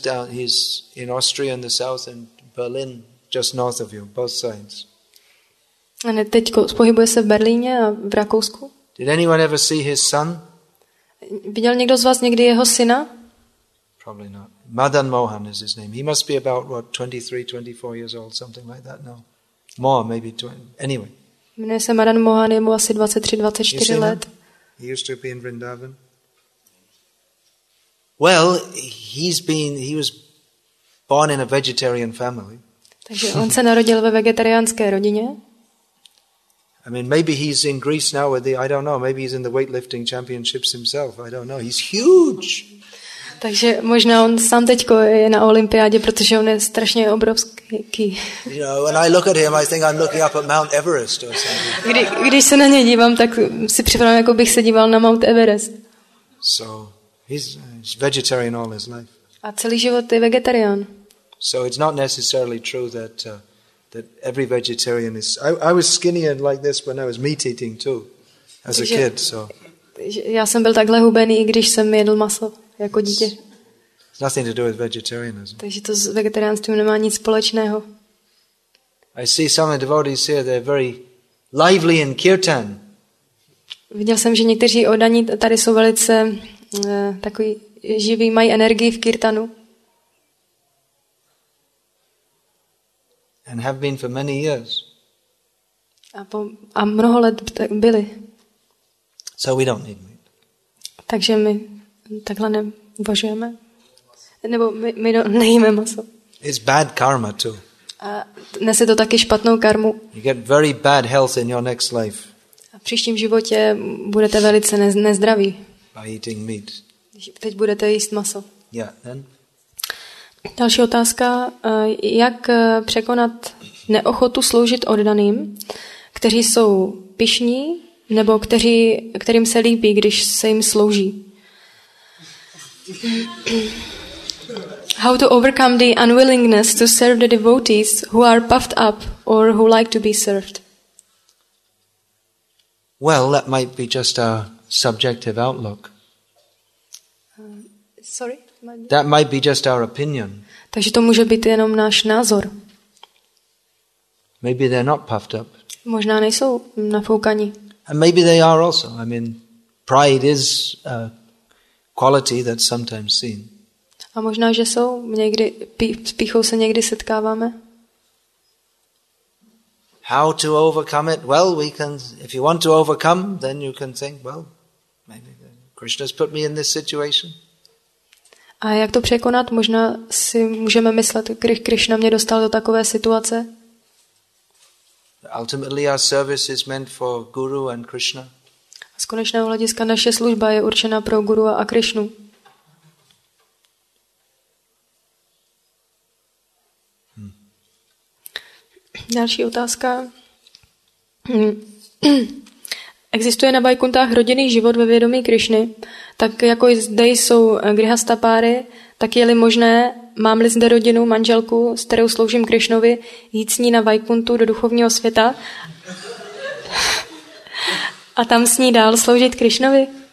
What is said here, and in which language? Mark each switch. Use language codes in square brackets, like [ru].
[en] He's in Austria in the south and Berlin just north of you, both sides. [cs] A ne, teď pohybuje se v Berlíně a v Rakousku. [en] Did anyone ever see his son? [cs] Viděl někdo z vás někdy jeho syna? [en] Probably not. Madan Mohan is his name. He must be about what, 23, 24 years old, something like that. No. More, maybe 20. Anyway. [cs] Jmenuje se Madan Mohan, je mu asi 23, 24 let. [en] He used to be in Vrindavan. Well, he was born in a vegetarian family. [cs] Takže on se narodil ve vegetariánské rodině. [en] I mean, maybe he's in Greece now with the, I don't know, maybe he's in the weightlifting championships himself. I don't know. He's huge. [cs] Takže možná on sám teďko je na olympiádě, protože on je strašně obrovský. [en] You know, when I look at him, I think I'm looking up at Mount Everest or something. [cs] Když se na něj dívám, tak si připadám, jako bych se díval na Mount Everest. [en] So, he's vegetarian all his life. [cs] A celý život je vegetarián. [en] So it's not necessarily true that every vegetarian is. I was skinnier like this when I was meat eating too, as a kid. So. [cs] Já jsem byl takhle hubený, i když jsem jedl maso jako dítě. [en] Nothing to do with vegetarianism. [cs] Takže to s vegetariánstvím nemá nic společného. [en] I see some of the devotees here. They're very lively in kirtan. [cs] Viděl jsem, že někteří oddaní tady jsou velice takový živí, mají energii v kirtanu. [en] And have been for many years. [cs] A mnoho let byli. [en] So we don't need meat. [cs] Takže my takhle neuvažujeme. Nebo my nejíme maso. [en] It's bad karma too. [cs] A nese to taky špatnou karmu. [en] You get very bad health in your next life. [cs] A v příštím životě budete velice nezdraví. [en] By eating meat. [cs] Teď budete jíst maso. [en] Yeah, then. [cs] Další otázka. Jak překonat neochotu sloužit oddaným, kteří jsou pyšní, nebo kterým se líbí, když se jim slouží? [en] How to overcome the unwillingness to serve the devotees who are puffed up or who like to be served? Well, that might be just a subjective outlook. Sorry? That might be just our opinion. [cs] Takže to může být jenom náš názor. [en] Maybe they're not puffed up. [cs] Možná nejsou nafoukaní. [en] And maybe they are also. I mean, pride is a quality that's sometimes seen. [cs] A možná, že jsou. Někdy, s pýchou se někdy setkáváme. [en] How to overcome it? Well, we can. If you want to overcome, then you can think, well, maybe Krishna's put me in this situation. [cs] A jak to překonat? Možná si můžeme myslet, když Krishna mě dostal do takové situace. [en] Ultimately our service is meant for Guru and Krishna. [cs] Z konečného hlediska naše služba je určena pro Guru a Krishnu. Další otázka. Existuje na Vaikuntách rodinný život ve vědomí Krishny, tak jako zde jsou grihastha páry, tak je-li možné, mám-li zde rodinu, manželku, s kterou sloužím Krishnovi, jít s ní na Vaikuntu do duchovního světa a tam s ní dál sloužit Krishnovi?